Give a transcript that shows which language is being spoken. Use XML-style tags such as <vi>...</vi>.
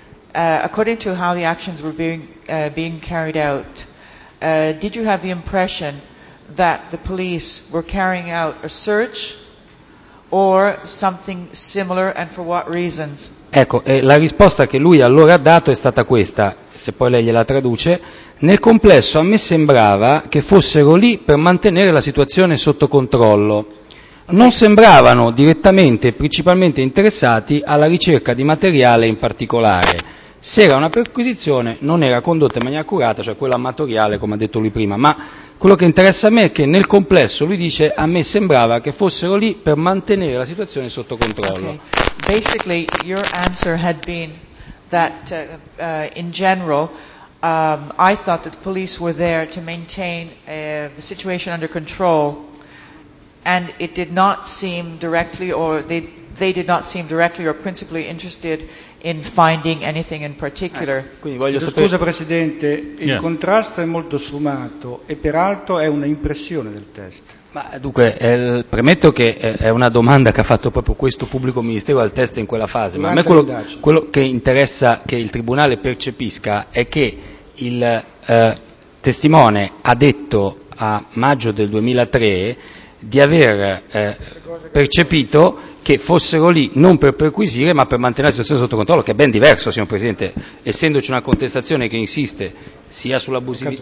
<en>According to how the actions were being carried out, did you have the impression that the police were carrying out a search or something similar and for what reasons?</en> <it>Ecco, la risposta che lui allora ha dato è stata questa, se poi lei gliela traduce. Nel complesso a me sembrava che fossero lì per mantenere la situazione sotto controllo. non sembravano direttamente e principalmente interessati alla ricerca di materiale in particolare. Se era una perquisizione, non era condotta in maniera accurata, cioè quella amatoriale, come ha detto lui prima, ma quello che interessa a me è che nel complesso, lui dice, a me sembrava che fossero lì per mantenere la situazione sotto controllo. Okay.</it> <en>Basically, your answer had been that, in general, I thought that the police were there to maintain the situation under control, and it did not seem directly, or they did not seem directly or principally interested in finding anything in particular.</en> <it>Scusa Presidente, il contrasto è molto sfumato e peraltro è una impressione del test. Ma dunque, premetto che è una domanda che ha fatto proprio questo pubblico ministero al test in quella fase, ma a me quello che interessa che il Tribunale percepisca è che il testimone ha detto a maggio del 2003 di aver percepito che fossero lì non per perquisire ma per mantenere la situazione sotto controllo, che è ben diverso, signor Presidente, essendoci una contestazione che insiste sia sull'abusivo.</it>